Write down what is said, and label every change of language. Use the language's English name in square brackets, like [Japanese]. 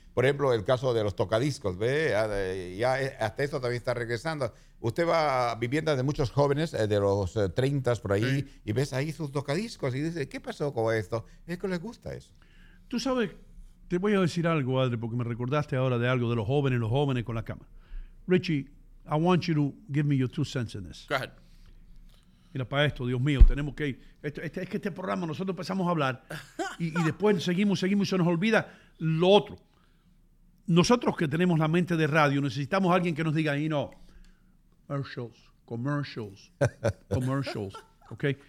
[Spanish] Por ejemplo, el caso de los tocadiscos, ¿ve? Ya hasta eso también está regresando. Usted va a viviendas de muchos jóvenes, de los 30 por ahí, sí, y ves ahí sus tocadiscos y dice, ¿qué pasó con esto? Es que les gusta eso. Tú sabes... Te voy a decir algo, Adri, porque me recordaste ahora de algo de los jóvenes con la cama. [English] Richie, I want you to give me your two cents in this. Go ahead. [Spanish] Mira, para esto, Dios mío, tenemos que ir. Es que este programa nosotros empezamos a hablar y después seguimos y se nos olvida lo otro. Nosotros que tenemos la mente de radio necesitamos a alguien que nos diga, y no, commercials, ¿ok?